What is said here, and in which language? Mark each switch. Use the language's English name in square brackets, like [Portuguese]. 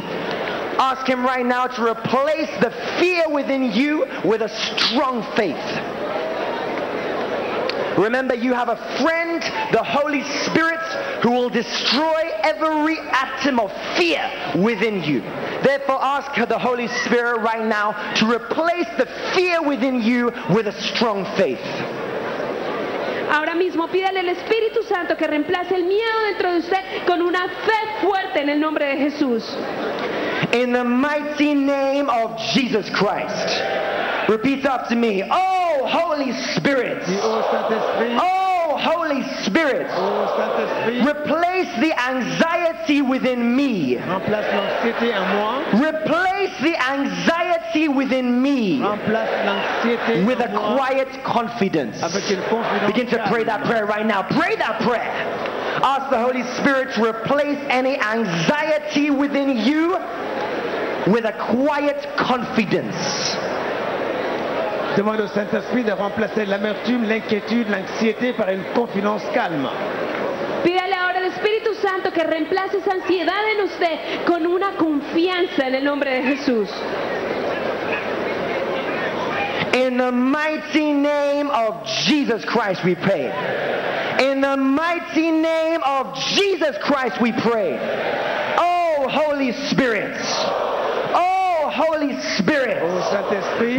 [English] Ask Him right now to replace the fear within you with a strong faith. Remember, you have a friend, the Holy Spirit, who will destroy every atom of fear within you. Therefore, ask the Holy Spirit right now to replace the fear within you with a strong faith. [Spanish] Ahora mismo, pídale al Espíritu Santo que reemplace el miedo dentro de usted con una fe fuerte en el nombre de Jesús. [English] In the mighty name of Jesus Christ. Repeat after me. Oh, Holy Spirit. Oh, Holy Spirit. Replace the anxiety within me. Replace the anxiety within me with a quiet confidence. Begin to pray that prayer right now. Pray that prayer. Ask the Holy Spirit to replace any anxiety within you with a quiet confidence. [French] Demande au Saint-Esprit de remplacer l'amertume, l'inquiétude, l'anxiété par une confiance calme. [Spanish] Pídale ahora al Espíritu Santo que reemplace esa ansiedad en usted con una confianza en el nombre de Jesús. [English] In the mighty name of Jesus Christ we pray. In the mighty name of Jesus Christ we pray. Oh Holy Spirit. Oh Holy Spirit. [French] Oh Saint-Esprit.